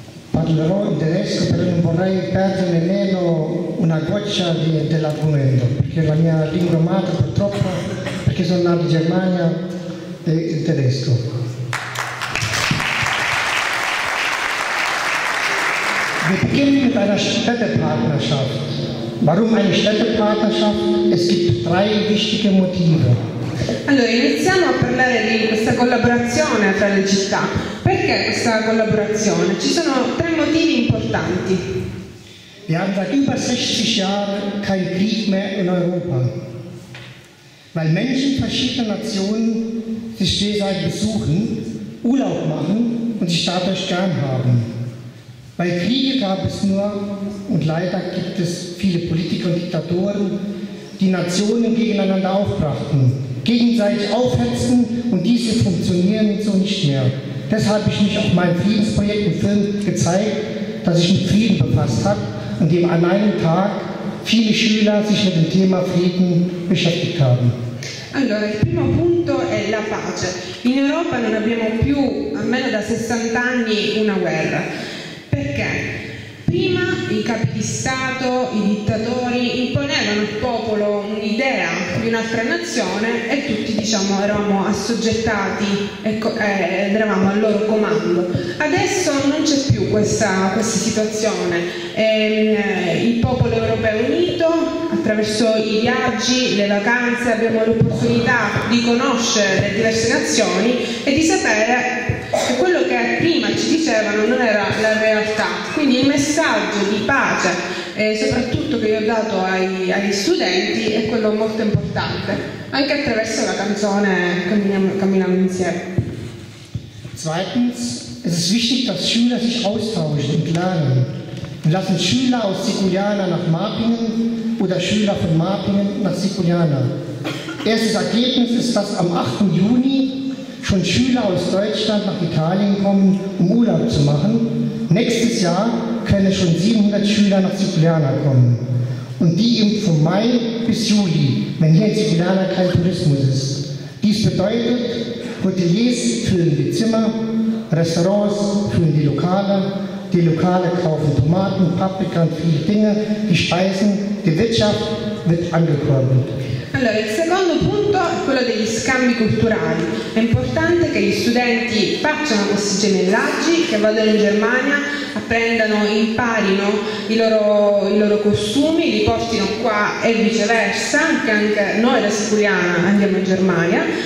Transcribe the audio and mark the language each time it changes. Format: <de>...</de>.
<it>Parlerò in tedesco perché non vorrei perdere nemmeno una goccia dell'argomento, perché la mia lingua madre purtroppo, perché sono nato in Germania, è il tedesco.</it> <de>Beginnen mit einer Städtepartnerschaft. Warum eine Städtepartnerschaft? Es gibt drei wichtige Motive.</de> <it>Allora, iniziamo a parlare di questa collaborazione tra le città. Perché questa collaborazione? Ci sono tre motivi importanti.</it> <de>Wir haben seit über 60 Jahren keinen Krieg mehr in Europa. Weil Menschen verschiedener Nationen sich gegenseitig besuchen, Urlaub machen und sich dadurch gern haben. Weil Kriege gab es nur und leider gibt es viele Politiker und Diktatoren, die Nationen gegeneinander aufbrachten, gegenseitig aufhetzen und diese funktionieren so nicht mehr. Deshalb habe ich mich auf meinem Friedensprojekt im Film gezeigt, dass ich mit Frieden befasst habe und dem an einem Tag viele Schüler sich mit dem Thema Frieden beschäftigt haben.</de> <it>Allora, il primo punto è la pace. In Europa non abbiamo più, almeno da 60 anni, una guerra. Perché? Prima i capi di Stato, i dittatori imponevano al popolo un'idea di un'altra nazione e tutti diciamo eravamo assoggettati e eravamo al loro comando. Adesso non c'è più questa situazione. Il popolo europeo è unito attraverso i viaggi, le vacanze, abbiamo l'opportunità di conoscere le diverse nazioni e di sapere che quello che prima ci dicevano non era la realtà. Quindi il messaggio di pace, soprattutto che io ho dato agli studenti, è quello molto importante, anche attraverso la canzone Camminiamo insieme.</it> <de>Zweitens, es ist wichtig, dass Schüler sich austauschen und lernen. Wir lassen Schüler aus Siculiana nach Mapingen oder Schüler von Mapingen nach Siculiana. Erstes Ergebnis ist, dass am 8. Juni schon Schüler aus Deutschland nach Italien kommen, um Urlaub zu machen. Nächstes Jahr können schon 700 Schüler nach Siculiana kommen. Und die eben von Mai bis Juli, wenn hier in Siculiana kein Tourismus ist. Dies bedeutet, Hoteliers füllen die Zimmer, Restaurants füllen die Lokale, die Lokale kaufen Tomaten, Paprika und viele Dinge, die Speisen, die Wirtschaft wird angekurbelt.</de> <it>Allora, il secondo punto è quello degli scambi culturali. È importante che gli studenti facciano questi gemellaggi, che vadano in Germania, apprendano, imparino i loro costumi, li portino qua e viceversa, anche noi da Siculiana andiamo in Germania.</it>